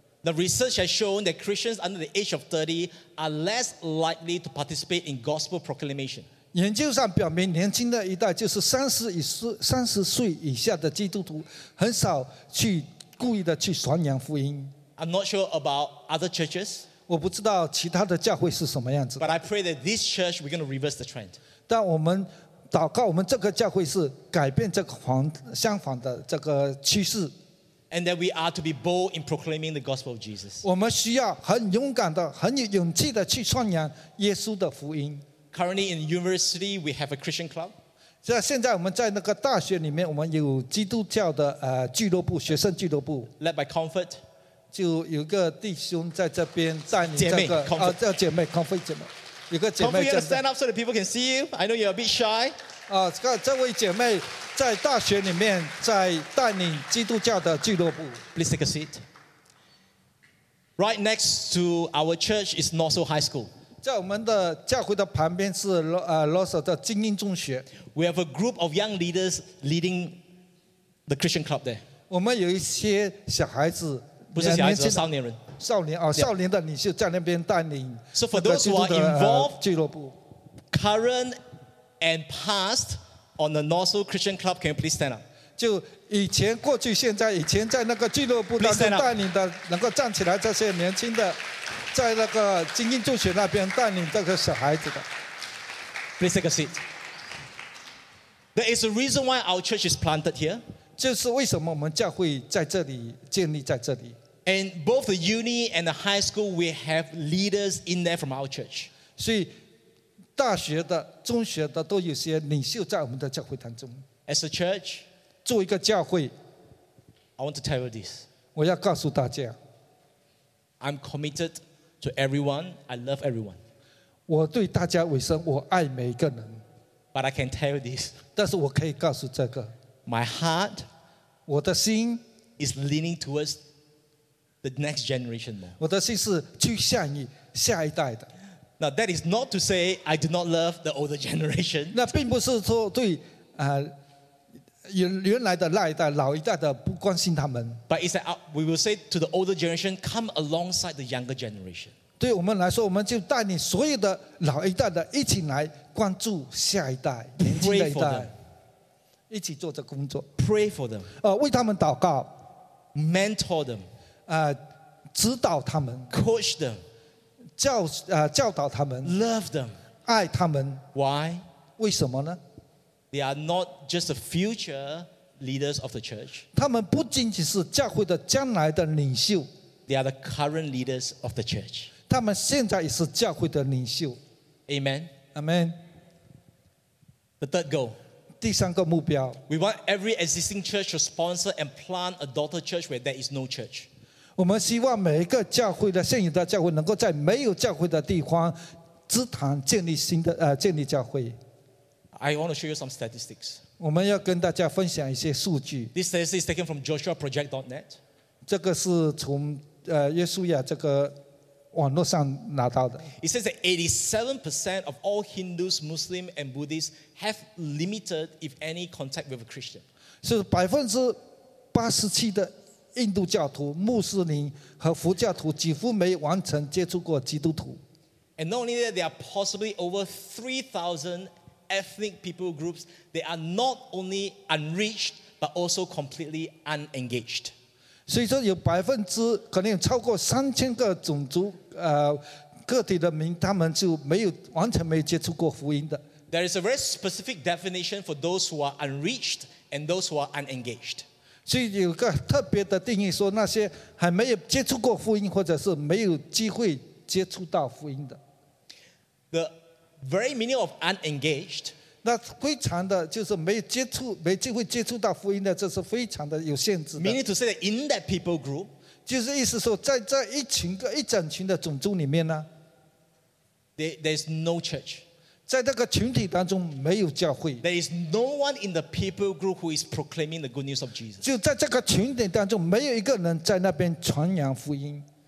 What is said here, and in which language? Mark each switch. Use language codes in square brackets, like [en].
[en] The research has shown that Christians under the age of 30 are less likely to participate in gospel proclamation. [zh] 研究上表明，年轻的一代就是三十岁以下的基督徒，很少去故意的去传扬福音。 [en] I'm not sure about other churches. [zh] 我不知道其他的教会是什么样子。 [en] But I pray that this church we're going to reverse the trend. [zh] 但我们祷告，我们这个教会是改变这个相反的这个趋势。 [en] And that we are to be bold in proclaiming the gospel of Jesus. [zh] 我们需要很勇敢的、很有勇气的去传扬耶稣的福音。 [en] Currently in university, we have a Christian club. [zh] 现在我们在那个大学里面，我们有基督教的俱乐部、学生俱乐部。 [en] Led by Comfort. [zh] 就有个弟兄在这边带领这个叫姐妹 Comfort 姐妹。有个姐妹 [en] Comfort, you have to stand up so that people can see you. I know you're a bit shy. [zh] 这位姐妹在大学里面在带领基督教的俱乐部。 [en] Please take a seat. Right next to our church is Northside High School. [zh] 在我们的教会的旁边是Northside的精英中学。 [en] We have a group of young leaders leading the Christian club there. [zh] 我们有一些小孩子，不是小孩子，少年人。少年啊， yeah. 少年的领袖在那边带领。 [en] So for those who are involved, [zh] 俱乐部 [en] current and past. On the Northside Christian Club, can you please stand up? [zh] 就以前、过去、现在，以前在那个俱乐部当中带领的，能够站起来这些年轻的，在那个精英中学那边带领这个小孩子的。 [en] Please take a seat. There is a reason why our church is planted here. [zh] 就是为什么我们教会在这里建立在这里。 [en] And both the uni and the high school, we have leaders in there from our church. [zh] 所以。大学的、中学的都有些领袖在我们的教会当中。 [en] As a church, [zh] 作为一个教会 [en] ，I want to tell you this. [zh] 我要告诉大家 [en] ，I'm committed to everyone. I love everyone. [zh] 我对大家委身，我爱每个人。 [en] But I can tell you this. [zh] 但是我可以告诉这个 [en] ，My heart, [zh] 我的心 [en] is leaning towards the next generation more. [zh] 我的心是趋向于下一代的。 [en] Now that is not to say I do not love the older generation. [zh] 那并不是说对原来的那一代、老一代的不关心他们。 [en] But it's that we will say to the older generation, come alongside the younger generation. [zh] 对我们来说，我们就带领所有的老一代的一起来关注下一代、年轻的一代，一起做这工作。 [en] Pray for them. [zh] 为他们祷告 [en] ，mentor them. [zh] 指导他们 [en] ，coach them. [zh] 教导他们 [en] ，love them， [zh] 爱他们 [en] ，why？ [zh] 为什么呢 [en] ？They are not just the future leaders of the church. [zh] 他们不仅仅是教会的将来的领袖 [en] ，they are the current leaders of the church. [zh] 他们现在也是教会的领袖。 [en] Amen. Amen. The third goal. [zh] 第三个目标。 [en] We want every existing church to sponsor and plant a daughter church where there is no church. [zh] 我们希望每一个教会的现有的教会能够在没有教会的地方支坛建立新的建立教会。 [en] I want to show you some statistics. [zh] 我们要跟大家分享一些数据。 [en] This statistic is taken from JoshuaProject.net. [zh] 这个是从约书亚这个网络上拿到的。 [en] It says that 87% of all Hindus, Muslims, and Buddhists have limited, if any, contact with a Christian. [zh] 是87%的。印度教徒、穆斯林和佛教徒几乎没完成接触过基督徒。 [en] And not only that, there are possibly over 3,000 ethnic people groups. They are not only unreached, but also completely unengaged. [zh] 所以说有可能有超过3000个种族个体的民，他们就完全没有接触过福音的。 [en] There is a very specific definition for those who are unreached and those who are unengaged. [zh] 所以有个特别的定义，说那些还没有接触过福音，或者是没有机会接触到福音的。 [en] The very meaning of unengaged， [zh] 那非常的就是没有接触、没机会接触到福音的，这是非常的有限制的。 [en] Meaning to say that in that people group， [zh] 就是意思说在这一群个一整群的种族里面呢 [en] ，there's no church， [zh] 在那个群体当中没有教会。 [en] There is no one in the people group who is proclaiming the good news of Jesus. [zh] 就在这个群体当中，没有一个人在那边传扬福音。